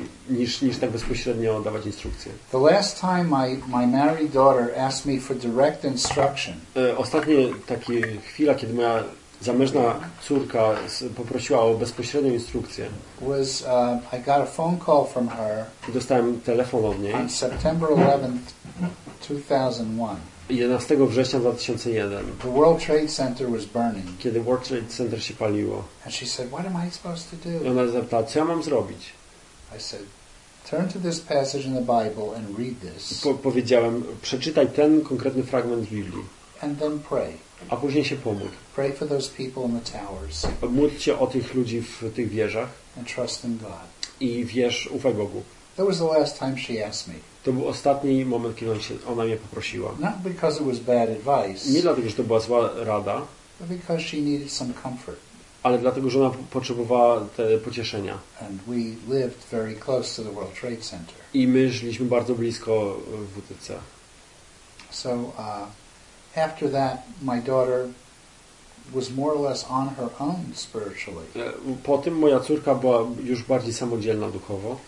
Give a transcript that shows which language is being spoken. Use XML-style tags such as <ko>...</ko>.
<pl>Niż tak bezpośrednio dawać instrukcje.</pl> <en>The last time my married daughter asked me for direct instruction.</en> <pl>Ostatnie takie chwila, kiedy moja zamężna córka poprosiła o bezpośrednią instrukcję.</pl> <en>Was I got a phone call from her.</en> <pl>Dostałem telefon od niej.</pl> <en>On September 11th. 2001.</en> <pl>11 września 2001.</pl> <en>The World Trade Center was burning.</en> <pl>Kiedy World Trade Center się paliło.</pl> <en>And she said, "What am I supposed to do?"</en> <pl>I ona zapytała, co ja mam zrobić?</pl> <en>I said, "Turn to this passage in the Bible and read this."</en> <pl>Powiedziałem, przeczytaj ten konkretny fragment Biblii.</pl> <en>And then pray.</en> <pl>A później się pomódl.</pl> <en>Pray for those people in the towers.</en> <pl>Módl się o tych ludzi w tych wieżach.</pl> <en>And trust in God.</en> <pl>I wierz, ufaj Bogu.</pl> <en>That was the last time she asked me.</en> <pl>To był ostatni moment, kiedy ona mnie poprosiła.</pl> <en>Not because it was bad advice.</en> <pl>Nie dlatego, że to była zła rada.</pl> <en>But because she needed some comfort.</en> <pl>Ale dlatego, że ona potrzebowała te pocieszenia.</pl> <en>And we lived very close to the World Trade Center.</en> <pl>I my żyliśmy bardzo blisko WTC.</pl> <en>So after that my daughter was more or less on her own spiritually.</en> <pl>Po tym moja córka była już bardziej samodzielna duchowo.</pl>